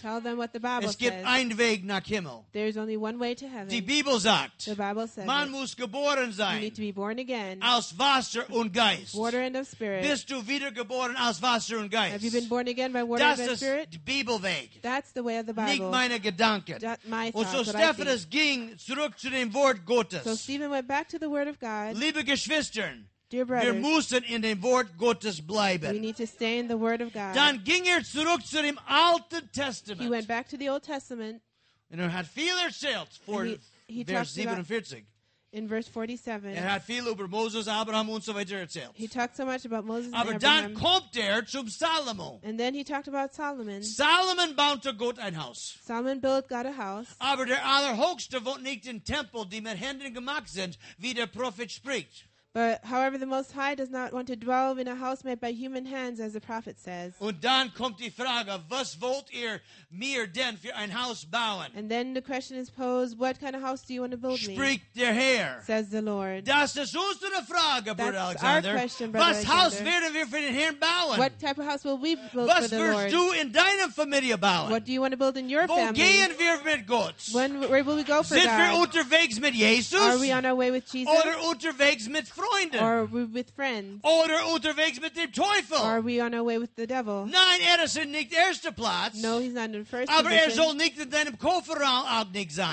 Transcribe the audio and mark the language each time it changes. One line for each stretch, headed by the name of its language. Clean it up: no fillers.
English: Tell them what the Bible says.
German: Es gibt ein Weg nach Himmel.
English: There is only one way to heaven.
German: Die Bibel sagt.
English: The Bible says.
German: Man muss geboren sein.
English: You need to be born again.
German: Aus Wasser und Geist.
English: Water and of Spirit.
German: Bist du wiedergeboren aus Wasser und Geist?
English: Have you been born again by water and of Spirit?
German: Das ist Bibelweg.
English: That's the way of the Bible.
German: Nicht meine Gedanken.
English: My thoughts,
German: und so Stephanus ging zurück zu dem Wort Gottes.
English: So Stephen went back to the word of God.
German: Liebe Geschwistern.
English: Dear brothers,
German: wir müssen in dem Wort Gottes bleiben.
English: We need to stay in the word of God.
German: Dann ging zurück zu dem Alten Testament.
English: He went back to the Old Testament.
German: Und hat viel erzählt vor Vers 47.
English: In verse 47.
German: Hat viel über Moses, Abraham und so weiter erzählt.
English: He talked so much about Moses
German: Aber
English: and Abraham.
German: Dann kommt zum Salomo.
English: And then he talked about Solomon.
German: Solomon baute Gott ein Haus.
English: Solomon built God a house.
German: Aber der Allerhöchste wohnt nicht im Tempel, die mit Händen gemacht sind, wie der Prophet spricht.
English: But however, the Most High does not want to dwell in a house made by human hands, as the prophet says.
German: Und dann kommt die Frage, was wollt ihr mir denn für ein Haus bauen?
English: And then the question is posed, what kind of house do you want to build me?
German: Spricht der Herr.
English: Says the Lord.
German: Das ist unsere Frage, Bruder Alexander.
English: That's our question, Brother
German: was
English: Alexander.
German: Haus werden wir für den Herrn bauen?
English: What type of house will we build for the Lord?
German: Was wirst du in deinem Familie bauen?
English: What do you want to build in your
German: Wo
English: family?
German: Wo gehen wir mit Gott?
English: When, where will we go for
German: Sind
English: God?
German: Wir unterwegs mit Jesus?
English: Are we on our way with Jesus?
German: Oder unterwegs mit Freunden.
English: Or are we with friends?
German: Oder unterwegs mit dem Teufel?
English: Or are we on our way with the devil?
German: Nein, er ist nicht erster Platz.
English: No, he's not in the first
German: Aber
English: position.
German: Aber er soll nicht in deinem Kofferraum auch nicht sein.